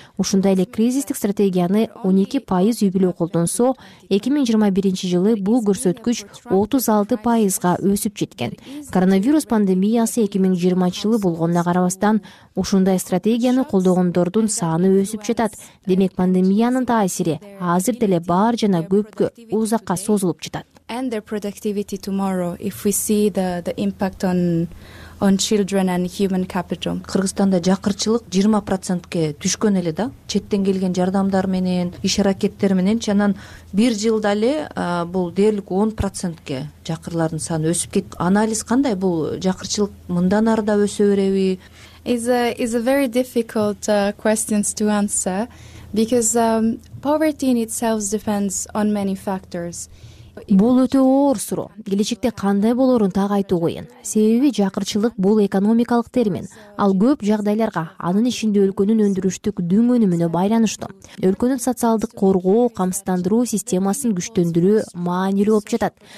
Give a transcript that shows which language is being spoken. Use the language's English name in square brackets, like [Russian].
[Kyrgyz] Ушундай эле кризистик стратегияны 12% үй-бүлө колдонсо, 2021 жылы бул көрсөткүч 36% өсүп жеткен. Коронавирус пандемиясы 2020 жылы болгонуна карабастан, ушундай стратегияны колдогондордун саны өсүп жатат. Демек пандемиянын таасири азыр деле бар жана көпкө узакка созулуп жатат. [English] And their productivity tomorrow if we see the impact on children and human capital. [Kyrgyz] Кыргызстанда жакырчылык 20%ке түшкөн эле да, четтен келген жардамдар менен, иш аракеттер менен, анан бир жылда эле бул дээрлик 10%ке жакырлардын саны өсүп кетти. Анализ кандай, бул жакырчылык мындан ары да өсө береби? [English] Is a very difficult questions to answer because poverty in itself depends on many factors. [Kyrgyz] Бул өтө оор суроо. Келечекте кандай болорун так айтуу кыйын. Себеби жакырчылык бул экономикалык термин. Ал көп жагдайларга, анын ичинде өлкөнүн өндүрүштүк дүн өнүмүнө байланыштуу. Өлкөнүн социалдык коргоо, камсыздандыруу системасын күчтөндүрүү маанилүү болуп жатат.